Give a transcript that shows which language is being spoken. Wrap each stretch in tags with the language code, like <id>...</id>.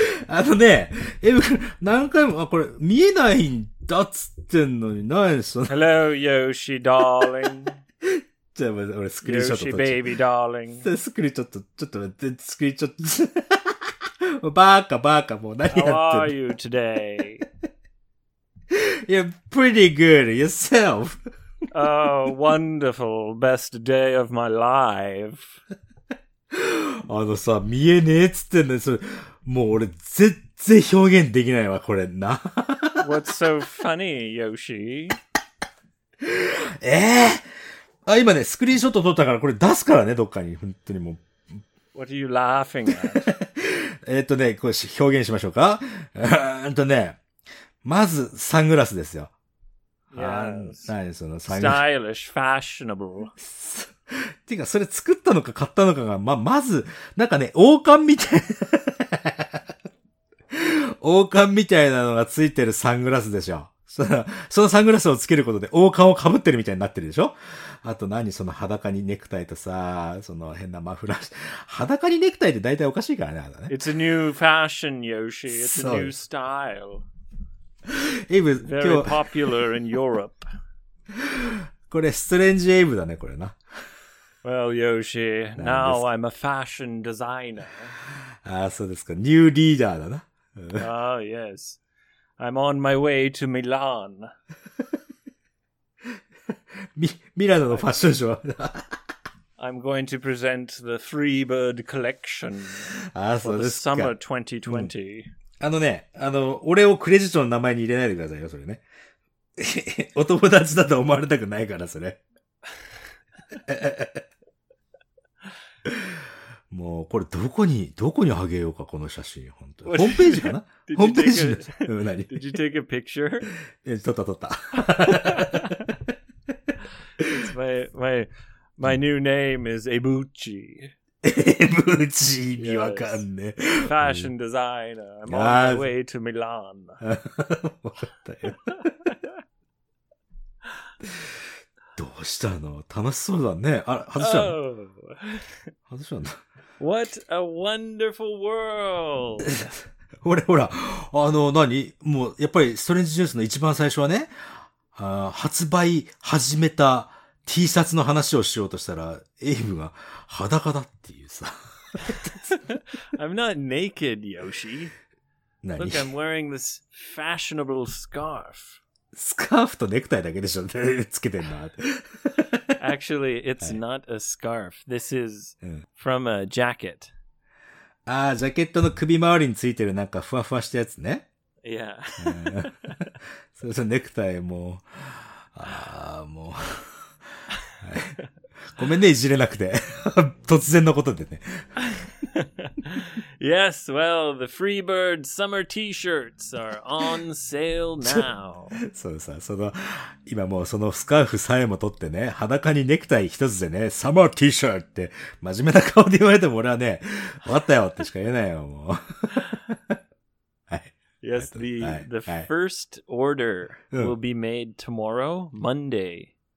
<ja>あのね、エブ君、何回も、あ、これ、見えないんだっつってんのに、何でしょ</ja> <en>?Hello, Yoshi, darling.</en> <ja>じゃあ、俺、スクリーンショット。</ja> <en>Yoshi, baby, darling.</en> <ja>スクリーンショット、ちょっと待って、スクリーンショット。バーカ、バーカ、もう何やってんの</ja> <en>?How are you today? You're pretty good yourself. Oh, wonderful. Best day of my life.</en> <ja>あのさ、見えねえっつってんのに、それ、もう俺、全然表現できないわ、これな。</ja> <en>What's so funny, Yoshi?</en> <ja>ええー、あ、今ね、スクリーンショット撮ったから、これ出すからね、どっかに。本当にもう。</ja> <en>What are you laughing at?</en> <ja>ね、こう表現しましょうか。ね、まず、サングラスですよ。</ja> <en>Yes.</en> <ja>何その</ja> <en>サングラス。Stylish, fashionable. っ</en> <ja>ていうか、それ作ったのか買ったのかが、まず、なんかね、王冠みたいな王冠みたいなのがついてるサングラスでしょ。そのサングラスをつけることで王冠を被ってるみたいになってるでしょ。あと何その裸にネクタイとさ、その変なマフラー。裸にネクタイって大体おかしいからね、あのね。</ja> <en>It's a new fashion, Yoshi. It's a new style.</en> <ja>エイブ、</ja> <en>今日。Very popular in Europe.</en> <ja>これ、ストレンジエイブだね、これな。</ja> <en>Well, Yoshi, now I'm a fashion designer.</en> <ja>ああ、そうですか。ニューリーダーだな。</ja> <en>Ah, yes. I'm on my way to Milan.</en> <ja>ミラノのファッションショー。</ja> <en>I'm going to present the Freebird collection.</en> <ja>ああ、そうですか。</ja> <en>For the summer 2020.、うん</en> <ja>あのね、俺をクレジットの名前に入れないでくださいよ、それね。お友達だと思われたくないから、それ。もう、これ、どこにあげようか、この写真、本当に。ホームページかな？ホームページの、何？</ja> <en>Did you take a picture?</en> <ja>撮った。</ja> <en>my new name is Ebuchi.</en> <ja>エブチ意味わかんねえ。</ja> <en>ファッションデザイナー、I'm on my way to Milan。</en> <ja>わかったよ。どうしたの？楽しそうだね。あ、外したの？</ja> <en>Oh.</en> <ja>外したの？</ja> <en>What a wonderful world！</en> <ja>俺ほら、何？もうやっぱりストレンジジュースの一番最初はね、発売始めた。 T シャツの話をしようとしたら、エイブが裸だっていうさ。</ja> <en>I'm not naked, Yoshi.</en> <ja>何</ja> <en>?Look, I'm wearing this fashionable scarf.</en> <ja>スカーフとネクタイだけでしょ、ね、つけてんな。</ja> <en>Actually, it's、はい、not a scarf. This is from a jacket.</en> <ja>ああ、ジャケットの首周りについてるなんかふわふわしたやつね。</ja> <en>Yeah.</en> <ja>それとネクタイも、もう。ごめんね、いじれなくて。突然のことでね。</ja> <en>Yes, well, the Freebird summer t-shirts are on sale now.</en> <ja>そうさ、今もうそのスカーフさえも取ってね、裸にネクタイ一つでね、サマー t-shirt って真面目な顔で言われても俺はね、終わったよってしか言えないよ、もう。</ja> <en>Yes, the first order will be made tomorrow, Monday.</en>